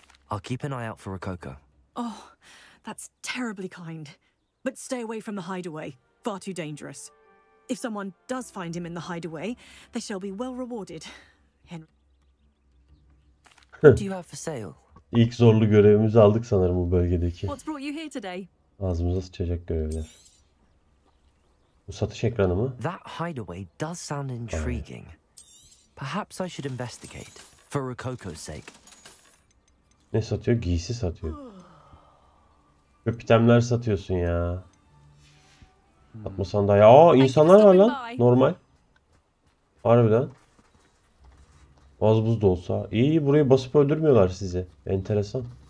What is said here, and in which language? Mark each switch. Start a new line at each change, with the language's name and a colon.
English: I'll keep an eye out for Rococo. Oh, that's terribly kind. But stay away from the hideaway. Far too dangerous. If someone does find him in the hideaway, they shall be well rewarded. Henry. What do you have for sale?
Turkish: İlk zorlu görevimizi aldık sanırım bu bölgedeki.
English: What's brought you here today?
Turkish: Ağzımıza sıçacak görevler. Bu satış ekranı mı?
English: That hideaway does sound intriguing. Perhaps I should investigate for Rococo's sake.
Turkish: Ne satıyor? Giysi satıyor. Köpitemler satıyorsun ya. Atma sandalye. Aa, insanlar var lan. Normal. Harbiden. Az buz da olsa. İyi, iyi, burayı basıp öldürmüyorlar sizi. Enteresan.